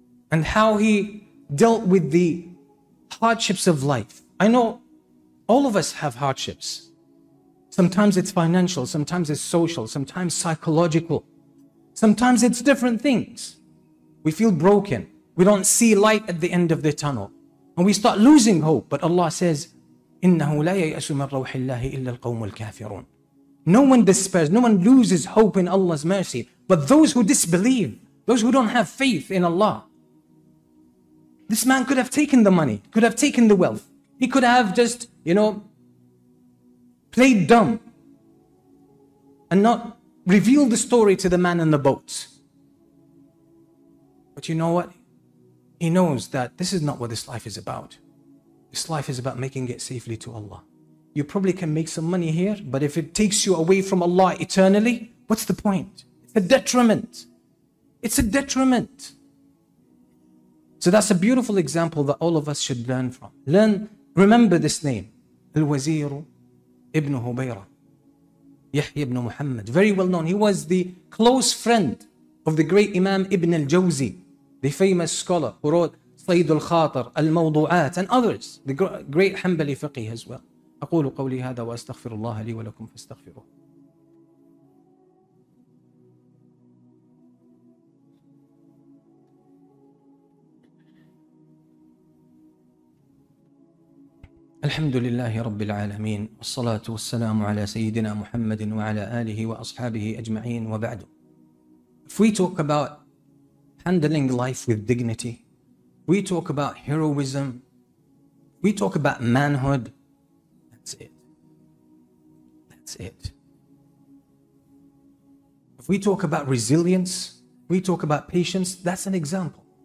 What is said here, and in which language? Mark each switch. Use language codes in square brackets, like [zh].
[en] And how he dealt with the hardships of life. I know all of us have hardships. Sometimes it's financial, sometimes it's social, sometimes psychological. Sometimes it's different things. We feel broken. We don't see light at the end of the tunnel. And we start losing hope. But Allah says, [ar] إِنَّهُ لَا يَيْأَسُ مِنْ رَوْحِ اللَّهِ إِلَّا الْقَوْمُ الْكَافِرُونَ. [en] No one despairs, no one loses hope in Allah's mercy. But those who disbelieve, those who don't have faith in Allah, this man could have taken the money, could have taken the wealth. He could have just, you know, played dumb and not revealed the story to the man in the boat. But you know what? He knows that this is not what this life is about. This life is about making it safely to Allah. You probably can make some money here, but if it takes you away from Allah eternally, what's the point? It's a detriment. It's a detriment. So that's a beautiful example that all of us should learn from. Learn, remember this name, Al-Wazir Ibn Hubayrah, Yahya Ibn Muhammad, very well known. He was the close friend of the great Imam Ibn al-Jawzi, the famous scholar who wrote Sayyid al-Khatir, Al-Mawdu'at, and others, the great Hanbali fiqh as well. [ar] أقول قولي هذا وأستغفر الله لي ولكم فاستغفروه. الحمد لله رب العالمين والصلاة والسلام على سيدنا محمد وعلى آله وأصحابه أجمعين وبعد. [en] If we talk about handling life with dignity, we talk about heroism, we talk about manhood, that's it. That's it. If we talk about resilience, we talk about patience, that's an example.